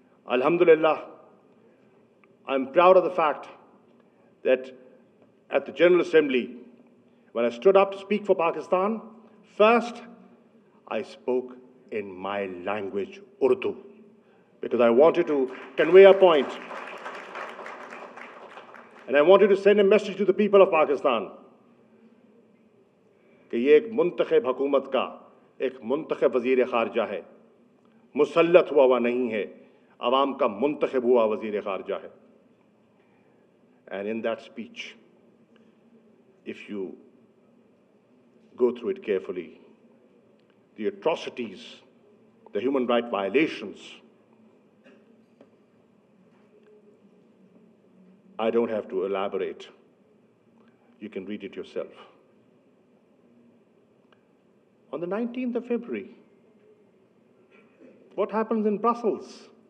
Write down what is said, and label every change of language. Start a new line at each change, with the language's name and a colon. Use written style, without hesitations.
English: Alhamdulillah, I'm proud of the fact that at the General Assembly, when I stood up to speak for Pakistan, first, I spoke in my language, Urdu, because I wanted to convey a point. And I wanted to send a message to the people of Pakistan.
Urdu: کہ یہ ایک منتخب حکومت کا ایک منتخب وزیر خارجہ ہے مسلط ہوا ہوا نہیں ہے عوام کا منتخب ہوا وزیر خارجہ ہے
English: And in that speech, if you go through it carefully, the atrocities, the human rights violations, I don't have to elaborate. You can read it yourself. On the 19th of February, what happens in Brussels?